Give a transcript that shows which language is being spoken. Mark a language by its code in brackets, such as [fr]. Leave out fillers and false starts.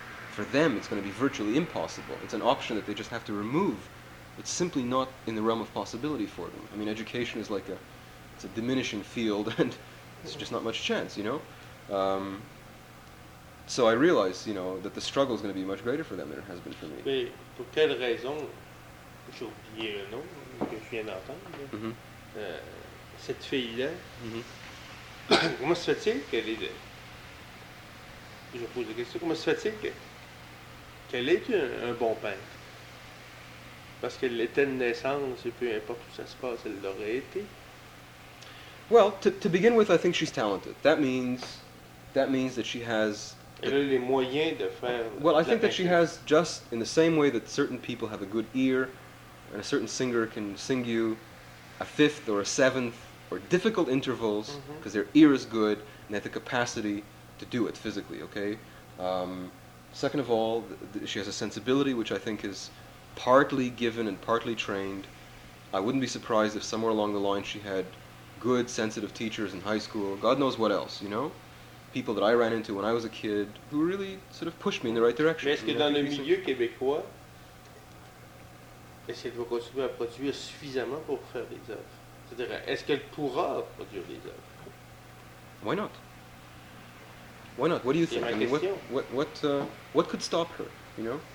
[en] For them, it's going to be virtually impossible. It's an option that they just have to remove. It's simply not in the realm of possibility for them. I mean, education is like it's a diminishing field, and there's just not much chance, you know? So I realize, you know, that the struggle is going to be much greater for them than it has been for me. [fr] Mais pour quelle raison, j'ai oublié le nom que je viens d'entendre, cette fille-là, comment se fait-il qu'elle est... Je pose la question, comment se fait-il qu'elle est un bon peintre? Parce qu'elle était de naissance, peu importe où ça se passe, elle l'aurait été. [en] Well, to begin with, I think she's talented. That means that she has... [fr] Elle a les moyens de faire... [en] Well, I think that she has, just in the same way that certain people have a good ear, and a certain singer can sing you a fifth or a seventh, or difficult intervals, because their ear is good, and they have the capacity to do it physically, okay? Second of all, she has a sensibility which I think is partly given and partly trained. I wouldn't be surprised if somewhere along the line she had good, sensitive teachers in high school, God knows what else, you know? People that I ran into when I was a kid who really sort of pushed me in the right direction. [fr] Mais est-ce que dans le milieu québécois, est-ce qu'elle va continuer à produire suffisamment pour faire des œuvres? C'est-à-dire, est-ce qu'elle pourra produire des œuvres? [en] Why not? Why not? What do you think? [fr] C'est ma [en] question. What could stop her, you know?